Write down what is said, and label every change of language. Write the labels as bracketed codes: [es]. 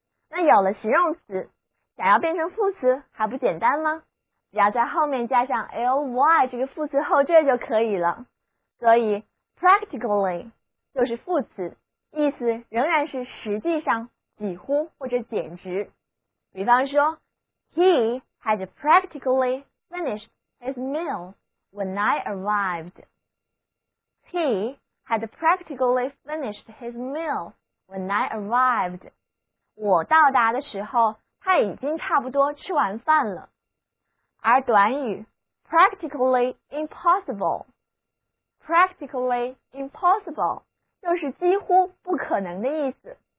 [zh] 那有了形容词，想要变成副词还不简单吗？只要在后面加上 ly 这个副词后缀就可以了。所以 practically 就是副词，意思仍然是实际上、几乎或者简直。比方说 [en] ，He had practically finished his meal when I arrived. He had practically finished his meal when I arrived. [zh] 我到达的时候，他已经差不多吃完饭了。而短语 practically impossible。 Practically impossible 就是几乎不可能的意思。